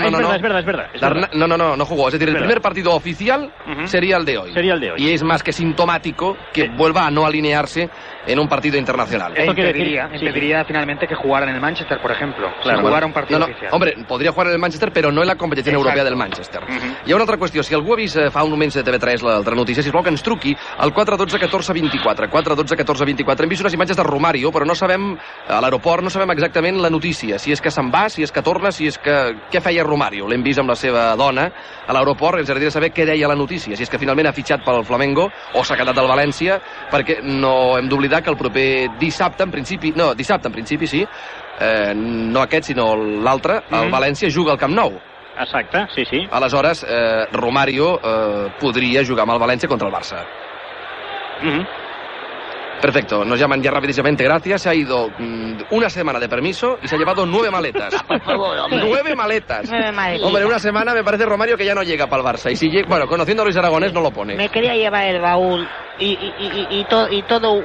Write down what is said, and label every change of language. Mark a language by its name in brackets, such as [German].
[Spanish] Es verdad, no jugó. Es decir, el primer partido oficial sería el de hoy. Sería el de hoy. Y es más que sintomático que vuelva a no alinearse en un partido internacional. Eso impediría finalmente que jugara en el Manchester, por ejemplo. Claro. Jugara un partido oficial. Hombre, podría jugar en el Manchester, pero no en la competición europea del Manchester. [Catalan] Uh-huh. Y una altra qüestió. Si algú ha vist fa un moment de TV3 l'altra notícia, sisplau que ens truqui al 412-1424. 412-1424. Hem vist unes imatges de Romario, però no sabem, a l'aeroport, no sabem exactament la notícia. Si és que se'n va, si és que torna, si és que... Què feia Romario? L'hem vist amb la seva dona a l'aeroport. Ens agradaria saber què deia la notícia. Si és que finalment ha fitxat pel Flamengo o s'ha quedat al València, perquè no hem d'oblidar que el proper dissabte en principi sí, no aquest sinó l'altre, el València juga al Camp Nou. Exacte, sí, sí. Aleshores, Romario podria jugar amb el València contra el Barça. [Spanish] Perfecto, nos llaman ya rapidísimamente. Gracias, se ha ido una semana de permiso y se ha llevado nueve maletas. Nueve maletas. Hombre, una semana me parece, Romario, que ya no llega para el Barça. Y si llega, bueno, conociendo a Luis Aragonés, no lo pone. Me quería llevar el baúl y todo un...